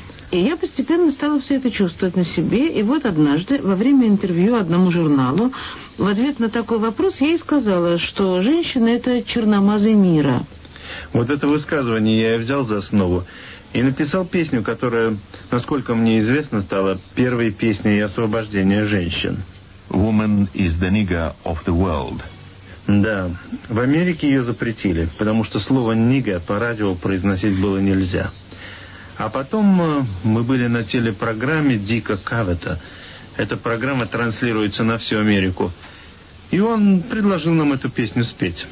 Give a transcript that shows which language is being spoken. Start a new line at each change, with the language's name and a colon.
Russian: И я постепенно стала все это чувствовать на себе, и вот однажды, во время интервью одному журналу, в ответ на такой вопрос я ей сказала, что женщина — это черномазы мира. Вот это высказывание я и взял за основу и написал песню, которая, насколько мне известно, стала первой песней освобождения женщин.
English: Woman is the nigger of the world.
Russian: Да, в Америке ее запретили, потому что слово «нига» по радио произносить было нельзя. А потом мы были на телепрограмме Дика Кавета. Эта программа транслируется на всю Америку. И он предложил нам эту песню спеть.